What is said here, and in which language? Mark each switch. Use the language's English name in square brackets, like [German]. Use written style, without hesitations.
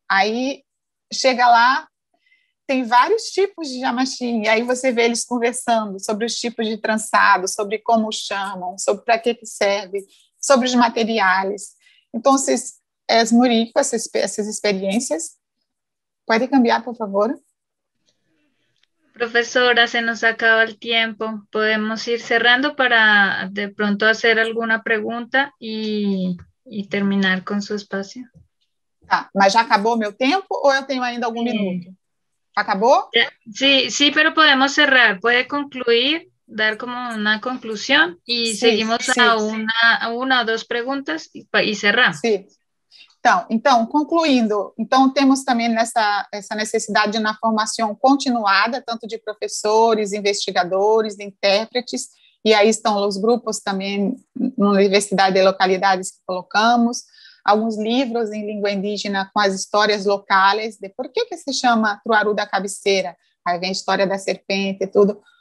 [Portuguese] Aí chega lá, tem vários tipos de jamaxim, e aí você vê eles conversando sobre os tipos de trançado, sobre como chamam, sobre para que serve, sobre os materiais. Então, vocês esmurir com essas experiências. Pode cambiar, por favor? [Spanish] Professora, se nos acaba el tiempo. Podemos ir cerrando para de pronto hacer alguna pregunta y terminar con su espacio. Ah, ¿mas ya acabó mi tiempo o yo tengo ainda algún minuto? ¿Acabó? Sí, pero podemos cerrar. Puede concluir, dar como una conclusión y sí, seguimos sí, a, sí. Una o dos preguntas y cerramos. Sí. [Portuguese] Então, concluindo, então temos também essa necessidade de uma formação continuada, tanto de professores, investigadores, intérpretes, e aí estão os grupos também na Universidade de Localidades que colocamos, alguns livros em língua indígena com as histórias locais, de por que se chama Truaru da Cabeceira, aí vem a história da serpente e tudo.